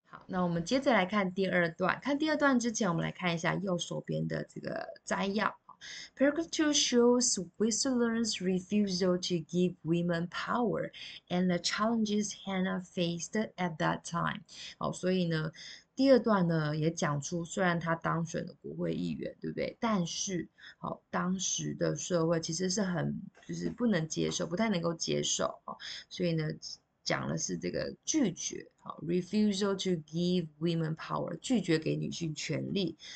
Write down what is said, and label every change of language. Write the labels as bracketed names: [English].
[Chinese] 那我们接着来看第二段。看第二段之前，我们来看一下右手边的这个摘要。 [English] Paragraph 2 shows Whistler's refusal to give women power and the challenges Hannah faced at that time. [Chinese] 好，所以呢，第二段呢也讲出，虽然他当选了国会议员，对不对？但是，好，当时的社会其实是很，就是不能接受，不太能够接受哦。所以呢，讲的是这个拒绝，好， [English] refusal to give women power， [Chinese] 拒绝给女性权利。